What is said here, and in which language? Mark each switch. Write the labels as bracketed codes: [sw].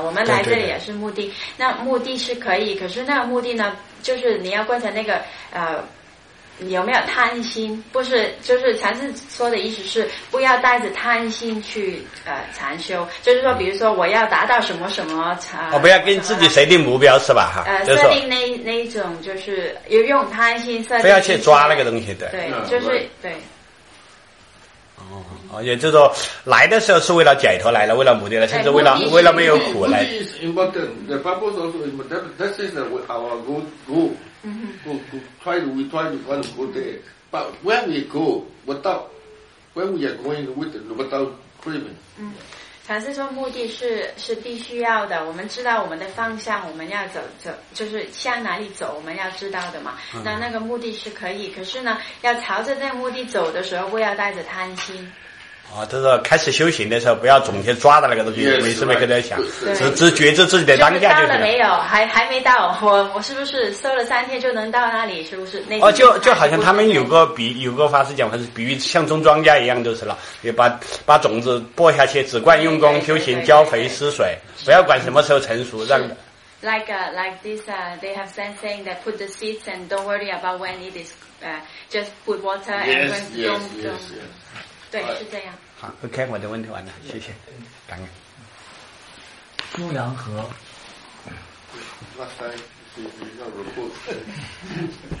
[zh] 我们来这里也是目的，那目的是可以，可是那个目的呢，就是你要观察那个有没有贪心，不是，就是禅师说的意思是不要带着贪心去禅修，就是说比如说我要达到什么什么我不要跟自己设定目标是吧哈，设定那一种就是有用贪心设定，不要去抓那个东西，对就是对。也就是说来的时候是为了解脱来了，为了目的了，甚至为了没有苦来。目的是 [en] important, the purpose also is important, that is our goal, we try to go there. But when we go, without craving. [zh] 禅师说目的是必须要的，我们知道我们的方向，我们要走就是向哪里走，我们要知道的嘛。那个目的是可以，可是呢要朝着这目的走的时候不要带着贪心。就是开始修行的时候不要总去抓的那个东西，没事没跟在想，只觉知自己的当下就行了。到了没有？还没到，我是不是收了三天就能到那里？是不是那就？就好像他们有个法师讲，还是比喻像种庄稼一样就是了，也把种子播下去，只管用功修行，浇肥施水，不要管什么时候成熟，让。 [en] They have sense saying that put the seeds and don't worry about when it is, just put water and don't. [zh] 对，是这样。好，OK, 我的问题完了，谢谢，感恩。牧羊河。那该是要如何？